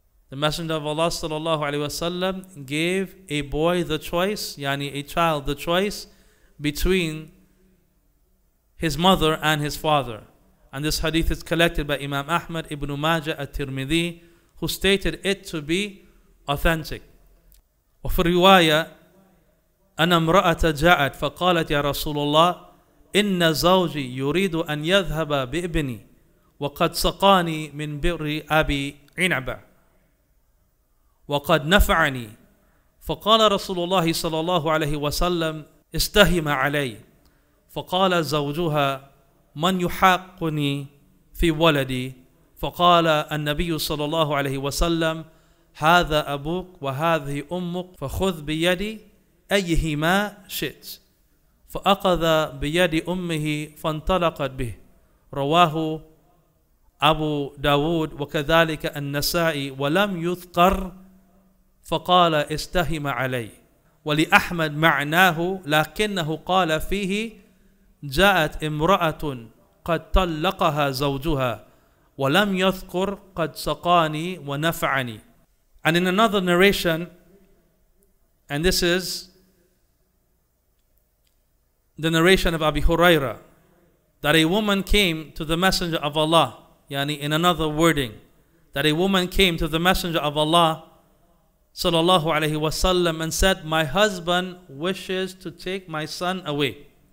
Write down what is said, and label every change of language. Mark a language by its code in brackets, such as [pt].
[en] The Messenger of Allah sallallahu alayhi wa sallam gave a boy the choice, yani a child the choice, between his mother and his father. And this hadith is collected by Imam Ahmad, Ibn Majah, At-Tirmidhi, who stated it to be authentic. [ar] وفي الرواية أن امرأة جاءت فقالت يا رسول الله إن زوجي يريد أن يذهب بابني وقد سقاني من بئر أبي عنبة وقد نفعني. فقال رسول الله صلى الله عليه وسلم استهم علي. فقال زوجها من يحاقني في ولدي؟ فقال النبي صلى الله عليه وسلم هذا أبوك وهذه أمك فخذ بيدي أيهما شئت. فأخذ بيد أمه فانطلقت به رواه أبو داود وكذلك النسائي ولم يذكر فقال استهم علي ولأحمد معناه لكنه قال فيه جاءت امرأة قد طلقها زوجها ولم يذكر قد سقاني ونفعني. [en] And in another narration, and this is the narration of Abi Huraira, that a woman came to the Messenger of Allah, yani in another wording, that a woman came to the Messenger of Allah sallallahu alayhi wa sallam and said, my husband wishes to take my son away.